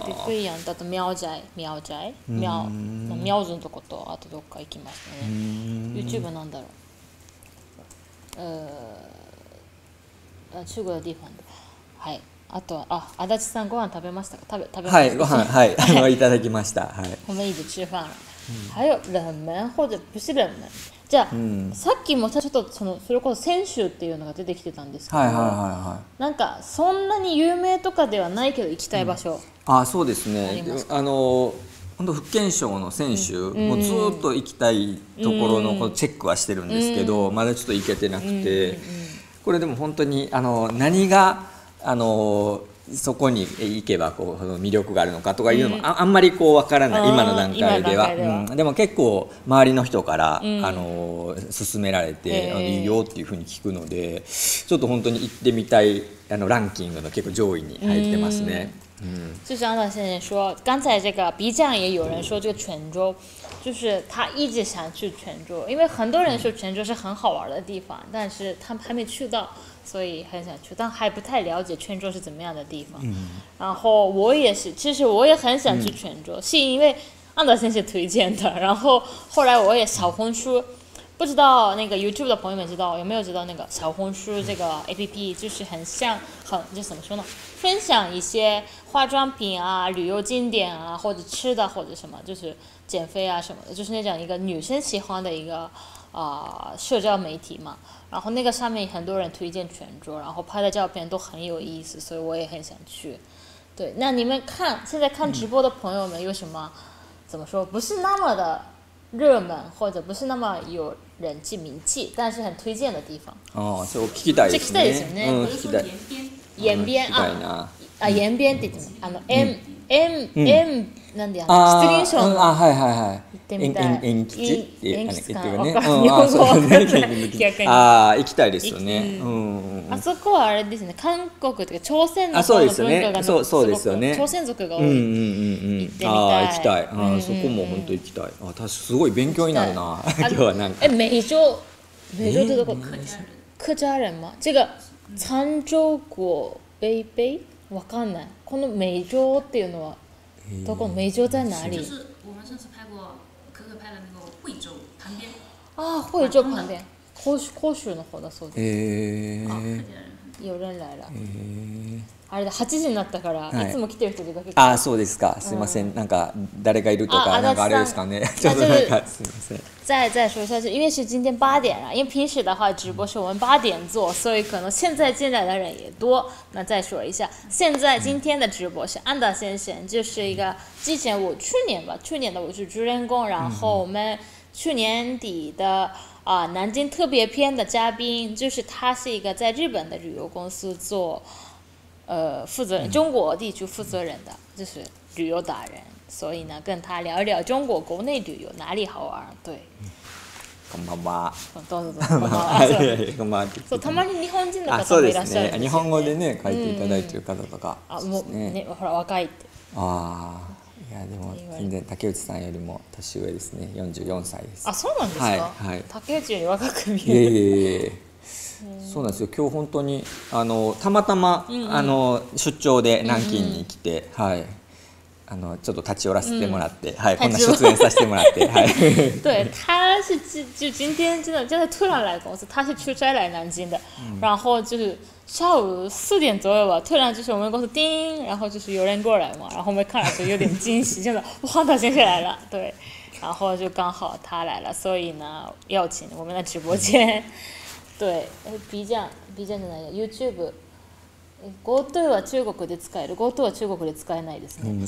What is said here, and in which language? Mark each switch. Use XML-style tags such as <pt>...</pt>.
<ja>ビクイアンだとミャオジャイ、ミャオジャイ、ミャオ、ミャオズのとことあとどっか行きましたね。 YouTube なんだろう、中国の地方で、はい、あとは、あ、足立さんご飯食べましたか？食べましたはい、ご飯、はい、いただきました。はい、</ja> <zh>我们一起吃饭了。还有冷麺或者不是冷麺。</zh> <ja>じゃあ、さっきもちょっとそのそれこそ泉州っていうのが出てきてたんですけど、はいはいはいはい、なんかそんなに有名とかではないけど行きたい場所、うん、あ、そうですね。あの本当福建省の泉州、もうずっと行きたいところのこのチェックはしてるんですけど、まだちょっと行けてなくて、これでも本当にあの何があのそこに行けばこう魅力があるのかとかいうのも あんまりこう分からない、今の段階では。段階では、うん、でも結構周りの人から、あの勧められて、いいよっていうふうに聞くので、ちょっと本当に行ってみたいあのランキングの結構上位に入ってますね。</ja> <zh>就像安达先生说，刚才这个 B 站也有人说这个泉州，就是他一直想去泉州，因为很多人说泉州是很好玩的地方，但是他还没去到，所以很想去，但还不太了解泉州是怎么样的地方。然后我也是，其实我也很想去泉州，是因为安达先生推荐的，然后后来我也小红书，不知道那个 YouTube 的朋友们知道有没有知道那个小红书这个 APP， 就是很像很就怎么说呢，分享一些化妆品啊、旅游景点啊或者吃的或者什么，就是减肥啊什么的，就是那种一个女生喜欢的一个社交媒体嘛。然后那个上面很多人推荐泉州，然后拍的照片都很有意思，所以我也很想去。对，那你们看现在看直播的朋友们有什么怎么说不是那么的热门或者不是那么有人气名气，但是很推荐的地方。</zh> <ja>哦，这我聞きたいですね。这聞きたいですよね。聞きたい。</ja> <zh>延边啊。</zh> <ja>聞きたいな。啊，延边って言ってます。あの M M なんでやの。失礼します。あ、はいはいはい。行ってみたい。延吉って言ってるね。日本語分かんない。逆に。あ、行きたいですよね。あそこはあれですね。韓国とか朝鮮の文化がすごく。そう、そうですよね。朝鮮族が多い。あ、行きたい。あ、そこも本当行きたい。あ、確かすごい勉強になるな。今日はなんか。え、梅州。梅州ってどこ？</ja> <zh>客家人吗？这个沧州国北碚？</zh> <ja>分かんない。この梅州っていうのはどこ？</ja> <zh>梅州在哪里？就是我们上次拍过可可拍的那个惠州旁边。啊，惠州旁边。</zh> <ja>広州の方だそうです。よれんらいら、あれだ、8時になったから、はい、いつも来てる人出かけて。あ、そうですか、すいません、なんか誰がいるとか、なんかあれですかね。ちょっとなんか、すいません。</ja> <zh>再说下去，因为是今天八点了，因为平时的话直播是我们八点做，所以可能现在进来的人也多。那再说一下，现在今天的直播是安达先生，就是一个之前我去年吧，去年的我是主人公，然后我们去年底的南京特别篇的嘉宾，就是他是一个在日本的旅游公司做负责人，中国地区负责人的，就是旅游达人。所以呢，跟他聊一聊中国国内旅游哪里好玩。对，</zh> <ja>こんばんは。どうぞどうぞ。こんばんは。そう、たまに日本人の方もいらっしゃる。日本語でね、書いていただいている方とか。あ、もうね、ほら若いって。ああ、いやでも全然竹内さんよりも年上ですね。 44歳です。あ、そうなんですか。はい、竹内より若く見える。いやいやいや。そうなんですよ。今日本当にあのたまたま出張で南京に来て、はい。あのちょっと立ち寄らせてもらって、はい、こんな出演させてもらって、はい。</ja> <zh>对，他是就今天真的突然来公司，他是出差来南京的，然后就是下午四点左右吧，突然就是我们公司叮，然后就是有人过来嘛，然后我们看了就有点惊喜，真的，哇，他先生来了，对，然后就刚好他来了，所以呢，邀请我们的直播间，对，B站的那个 YouTube。</zh> <ja>GoTo は中国で使える。GoTo は中国で使えないですね。</ja>